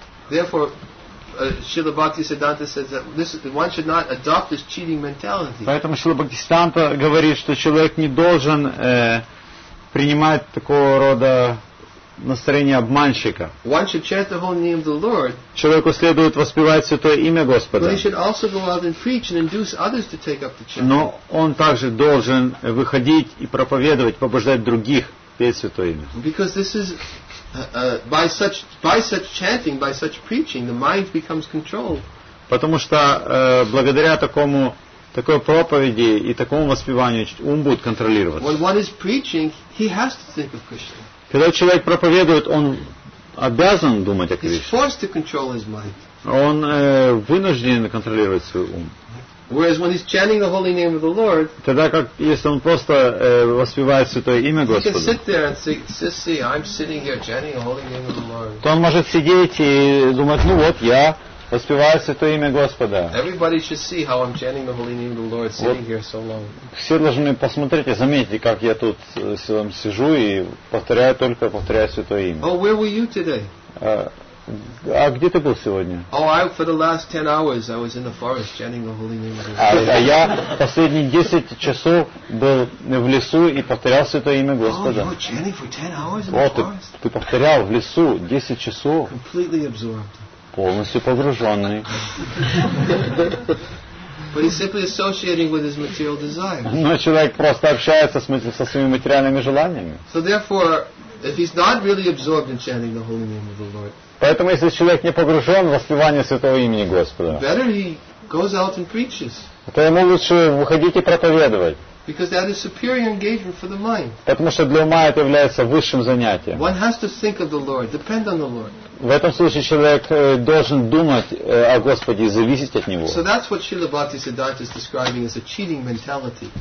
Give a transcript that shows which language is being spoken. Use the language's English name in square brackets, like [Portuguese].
[English] Therefore, Srila Bhaktisiddhanta says that this is, one should not adopt this cheating mentality. [Russian] Поэтому Шрила Бхактисиддханта говорит, что человек не должен принимать такого рода настроение обманщика. [English] One should chant the holy name of the Lord. [Russian] Человеку следует воспевать святое имя Господа. [English] But he should also go out and preach and induce others to take up the chant. [Russian] Но он также должен выходить и проповедовать, побуждать других петь святое имя. [English] Because this is by such chanting, by such preaching, the mind becomes controlled. [Russian] Потому что благодаря такой проповеди и такому воспеванию ум будет контролироваться. [English] When one is preaching, he has to think of Krishna. [Russian] Когда человек проповедует, он обязан думать о Кришне. [English] He's forced to control his mind. [Russian] Он вынужден контролировать свой ум. [English] Whereas when he's chanting the holy name of the Lord, [Russian] тогда как если он просто воспевает святое имя Господа, [English] he can sit there and see, I'm sitting here chanting the holy name of the Lord. [Russian] То он может сидеть и думать, ну вот я воспеваю святое имя Господа. [English] Everybody should see how I'm chanting the holy name of the Lord sitting here so long. [Russian] Все должны посмотреть и заметить, как я тут сижу и повторяю святое имя. [English] Oh, where were you today? [Russian] А где ты был сегодня? [English] Oh, I for the last 10 hours I was in the forest chanting the holy name of the Lord. [Russian] А я последние 10 часов был в лесу и повторял святое имя Господа. [English] Oh, you were chanting for 10 hours in the forest? [Russian] Ты повторял в лесу 10 часов. [English] Completely absorbed. [Russian] Полностью погруженный. [English] But he's simply associating with his material desires. [Russian] Но человек просто общается со своими материальными желаниями. [English] So therefore, if he's not really absorbed in chanting the holy name of the Lord. [Russian] Поэтому если человек не погружен в воспевание святого имени Господа, [English] better he goes out and preaches. [Russian] То ему лучше выходить и проповедовать. [English] Because that is superior engagement for the mind. [Russian] Потому что для ума это является высшим занятием. [English] One has to think of the Lord, depend on the Lord. [Russian] В этом случае человек должен думать о Господе и зависеть от Него. [English] So that's what Srila Bhaktisiddhanta is describing as a cheating mentality.